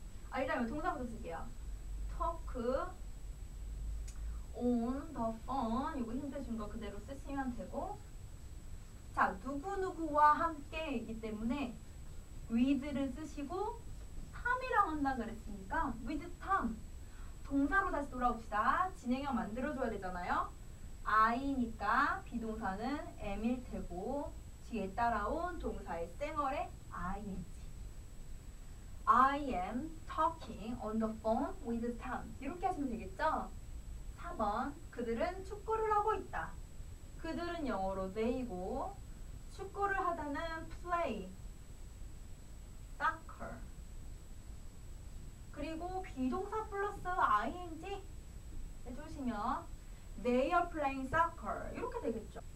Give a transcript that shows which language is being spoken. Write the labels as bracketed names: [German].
[Korean] 아 일단 동사부터 쓸게요. [English] talk on the phone [Korean] 이거 힌트 준 거 그대로 쓰시면 되고 자 누구누구와 함께 이기 때문에 with를 쓰시고 Tom이랑 한다 그랬으니까 [English] with Tom [Korean] 동사로 다시 돌아옵시다. 진행형 만들어줘야 되잖아요. I니까 비동사는 am일 테고 뒤에 따라온 동사의 생얼에 ing. [English] I am talking on the phone with Tom. [Korean] 이렇게 하시면 되겠죠? 3번, 그들은 축구를 하고 있다. 그들은 영어로 they이고, 축구를 하다는 play, soccer. 그리고 비동사 플러스 ing 해주시면 [English] they are playing soccer [Korean] 이렇게 되겠죠.